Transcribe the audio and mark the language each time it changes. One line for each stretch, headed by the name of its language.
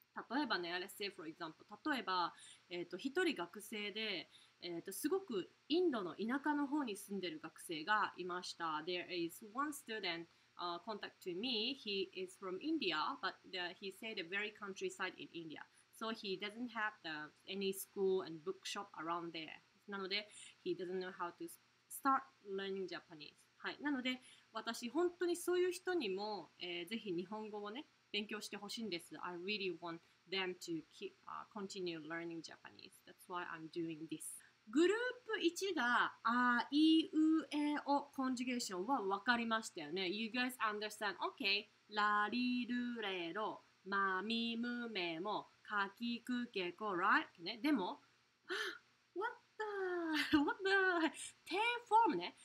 Japanese: 例えばね、 let's say for example, 例えば、一人学生で、すごくインドの田舎の方に住んでる学生がいました。
English: There is one student,contact to me. He is from India, but he said a very countryside in India. So he doesn't have any school and bookshop around there. なので he doesn't know how to start learning Japanese.
Japanese: はい。なので私本当にそういう人にも、ぜひ日本語をね勉強してほしいんです。
English: I really want them to keep, continue learning Japanese. That's why I'm doing this.
Japanese: グループ1が、あ、い、う、え、お、コンジュケーションは分かりましたよね。
English: You guys understand? Okay. ラリルレロ、マミムメモ、カキクケコ、 right? Okay, ね。でも、 What the? T form ね。